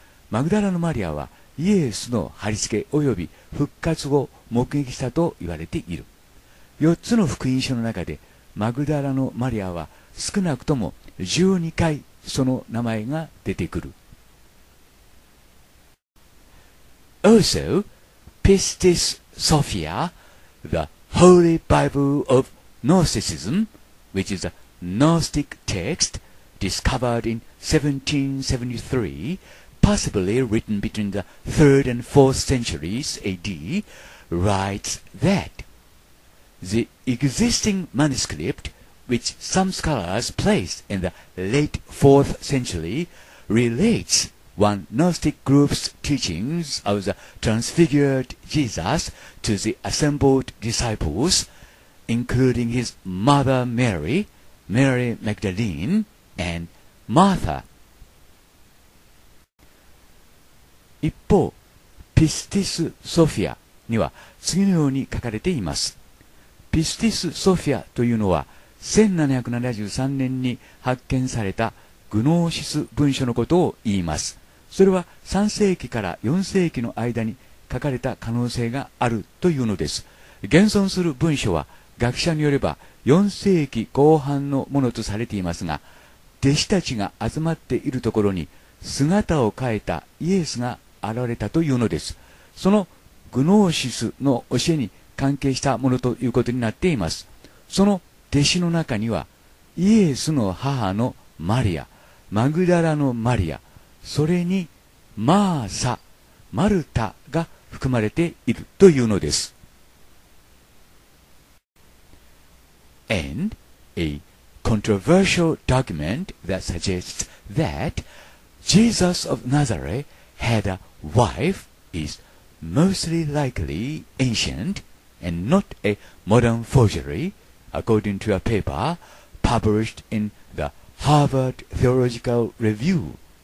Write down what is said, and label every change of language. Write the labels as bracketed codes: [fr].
[ja] マグダラのマリアはイエスの貼り付け及び復活を目撃したと言われている。 4つの福音書の中でマグダラのマリアは少なくとも12回その名前が出てくる。 [en] Also, Pistis Sophia, the Holy Bible of Gnosticism, which is a Gnostic text discovered in 1773, possibly written between the 3rd and 4th centuries AD, writes that the existing manuscript, which some scholars placed in the late 4th century, relates one Gnostic group's teachings of the transfigured Jesus to the assembled disciples, including his mother Mary, Mary Magdalene, and Martha. [ja] 一方、ピスティス・ソフィアには次のように書かれています。ピスティス・ソフィアというのは、1773年に発見されたグノーシス文書のことを言います。それは3世紀から4世紀の間に書かれた可能性があるというのです。現存する文書は学者によれば4世紀後半のものとされていますが、弟子たちが集まっているところに姿を変えたイエスが現れたというのです。そのグノーシスの教えに関係したものということになっています。その弟子の中にはイエスの母のマリア、マグダラのマリア、それにマーサ、マルタが含まれているというのです。 [en] And a controversial document that suggests that Jesus of Nazareth had aWife is mostly likely ancient and not a modern forgery, according to a paper published in the Harvard Theological Review.